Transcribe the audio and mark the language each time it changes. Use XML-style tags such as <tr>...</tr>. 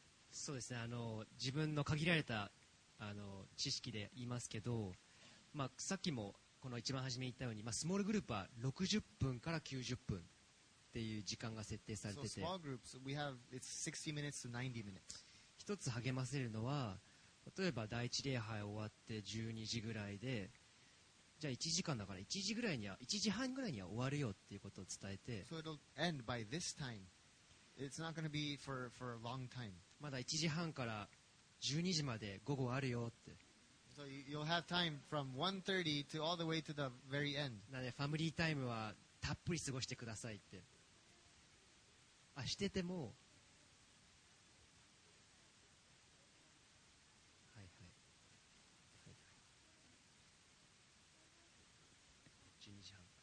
<ja>そうですね、自分の限られた知識で言いますけど、まあ、さっきもこの一番初めに言ったように、まあ、スモールグループは60分から90分っていう時間が設定されてて、</ja> <en>so, groups, we have, it's 60 minutes to 90 minutes.</en> <ja>一つ励ませるのは、例えば第一礼拝終わって12時ぐらいで、じゃあ1時間だから1時ぐらいには1時半ぐらいには終わるよっていうことを伝えて、</ja> <en>so it'll end by this time. It's not going to be for a long time.</en> <ja>まだ1時半から12時まで午後あるよって。</ja> <en>So you'll have time from 1:30 to all the way to the very end.</en> <ja>なのでファミリータイムはたっぷり過ごしてくださいって。あ、してても。はいはい。はいはい。 12時半。</ja>